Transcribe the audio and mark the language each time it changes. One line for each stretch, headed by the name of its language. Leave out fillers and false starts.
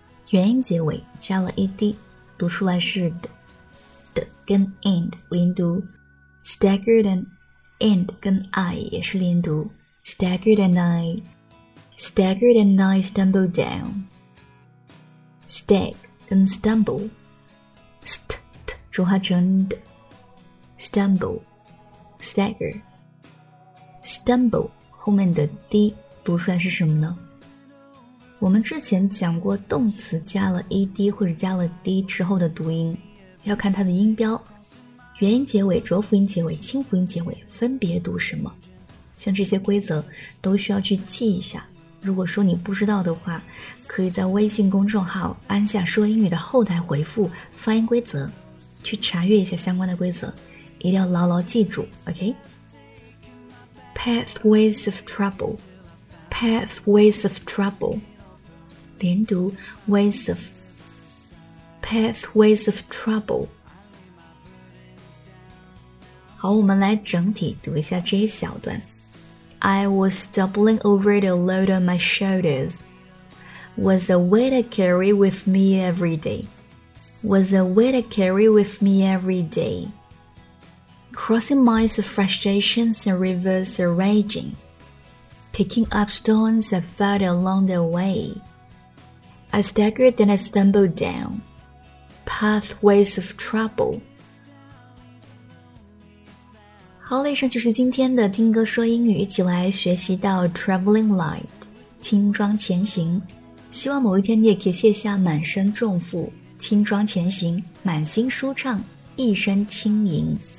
Chinese: 元音结尾加了 ed， 读出来是 d 跟 end 连读
English: staggered and end 跟 I 也是连读 staggered and I staggered and I stumbled down
Chinese: stag 跟 stumble st 浊化成 d stumble stagger stumble 后面的 d 读出来是什么呢？我们之前讲过动词加了 ed 或者加了 d 之后的读音要看它的音标，元音结尾、浊辅音结尾、清辅音结尾分别读什么，像这些规则都需要去记一下。如果说你不知道的话，可以在微信公众号安夏说英语的后台回复发音规则去查阅一下相关的规则，一定要牢牢记住。
English: OK Pathways of trouble Pathways of troubleLin do ways of pathways of trouble.
Chinese: 好，我们来整体读一下这一小段。
English: I was doubling over the load on my shoulders. Was a weight to carry with me every day. Was a weight to carry with me every day. Crossing miles of frustrations and rivers are raging. Picking up stones I found along the way.I staggered and I stumbled down. pathways of trouble.
Chinese: 好，以上就是今天的听歌说英语，一起来学习到 traveling light, 轻装前行。希望某一天你也可以卸下满身重负，轻装前行，满心舒畅，一身轻盈。